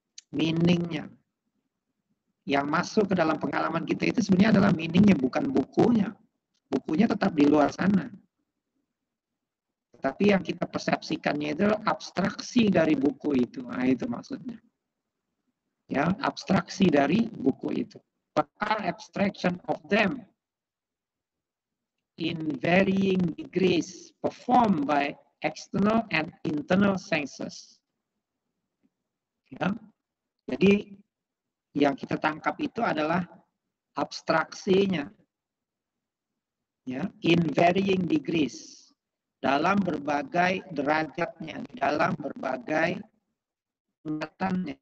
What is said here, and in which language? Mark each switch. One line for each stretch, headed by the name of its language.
Indonesian: Meaningnya yang masuk ke dalam pengalaman kita itu sebenarnya adalah meaningnya, bukan bukunya. Bukunya tetap di luar sana. Tapi yang kita persepsikannya itu abstraksi dari buku itu. Nah, itu maksudnya. Ya, abstraksi dari buku itu.
English: But are abstraction of them in varying degrees performed by external and internal senses. Ya.
Indonesian: Jadi yang kita tangkap itu adalah abstraksinya, ya,
English: in varying degrees,
Indonesian: dalam berbagai derajatnya, dalam berbagai tingkatannya.